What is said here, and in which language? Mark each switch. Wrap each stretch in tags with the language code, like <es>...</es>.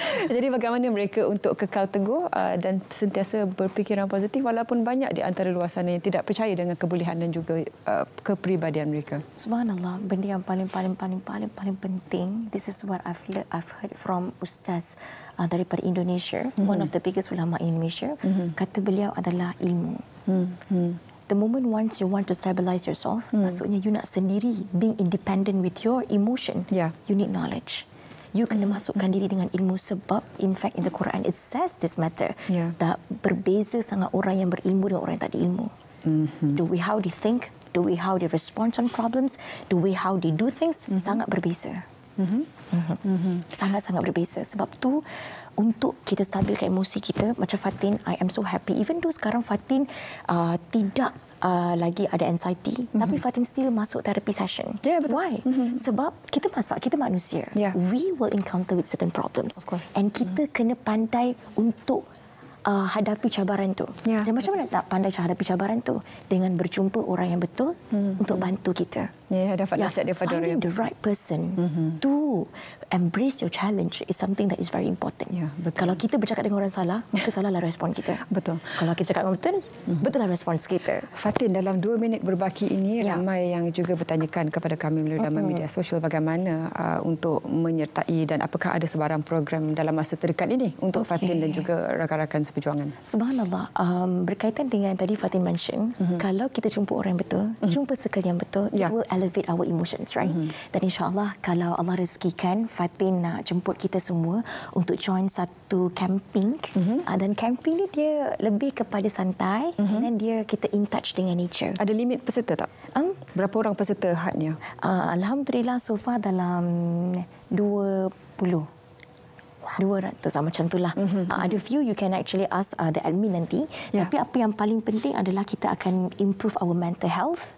<ms>Jadi bagaimana mereka untuk kekal teguh dan sentiasa berfikiran positif walaupun banyak di antara luar sana yang tidak percaya dengan kebolehan dan juga kepribadian mereka. Subhanallah, benda yang paling penting,</ms> <en>this is what I've heard from</en> <ms>Ustaz daripada Indonesia, mm-hmm.</ms> <en>one of the biggest ulama in Indonesia, mm-hmm.</en> <ms>kata beliau adalah ilmu. Mm-hmm.</ms> <en>The moment once you want to stabilize yourself,</en> <ms>maksudnya you nak sendiri,</ms> <en>being independent with your emotion, yeah, you need knowledge. You</en> <ms>kena masukkan diri dengan ilmu sebab,</ms> <en>in fact, in the Quran, it says this matter. Yeah.</en> <ms>Tak berbeza sangat orang yang berilmu dengan orang yang tak ada ilmu. Mm-hmm.</ms> <en>The way how they think, the way how they respond on problems, the way how they do things, mm-hmm.</en> <ms>sangat berbeza. Sangat-sangat berbeza. Sebab tu untuk kita stabilkan emosi kita, macam Fatin,</ms> <en>I am so happy. Even though</en> <ms>sekarang Fatin tidak lagi ada anxiety, tapi Fatin still masuk therapy session. Yeah, betul.</ms> <en>Why?</en> <ms>Sebab kita masak, kita manusia.</ms> <en>Yeah. We will encounter with certain problems. Of course. And</en> <ms>kita kena pandai untuk hadapi cabaran tu.</ms> <en>Yeah.</en> <ms>Dan macam mana nak pandai hadapi cabaran tu? Dengan berjumpa orang yang betul untuk bantu kita. Ya, yeah, dapat nasihat daripada orang.</ms> <en>Finding the right person to embrace your challenge is something that is very important.</en> <ms>Yeah, betul. Kalau kita bercakap dengan orang salah, maka salahlah respon kita. Betul. Kalau kita cakap dengan betul, betullah respon kita. Fatin, dalam dua minit berbaki ini, ramai yang juga bertanyakan kepada kami melalui dalam media sosial bagaimana untuk menyertai dan apakah ada sebarang program dalam masa terdekat ini untuk Fatin dan juga rakan-rakan seperjuangan. Subhanallah. Berkaitan dengan tadi Fatin mention, kalau kita jumpa orang yang betul, jumpa circle yang betul,</ms> <en>it will elevate our emotions, right?</en> <ms>Dan insyaAllah, kalau Allah rezekikan, Fatin nak jemput kita semua untuk join satu camping. Dan camping ni dia lebih kepada santai dan dia kita in touch dengan nature. Ada limit peserta tak? Berapa orang peserta hadnya? Alhamdulillah, so far dalam 20. 200 sama macam itulah. Ada</ms> <en>few you can actually ask the admin</en> <ms>nanti.</ms> <en>Yeah.</en> <ms>Tapi apa yang paling penting adalah kita akan</ms> <en>improve our mental health.</en>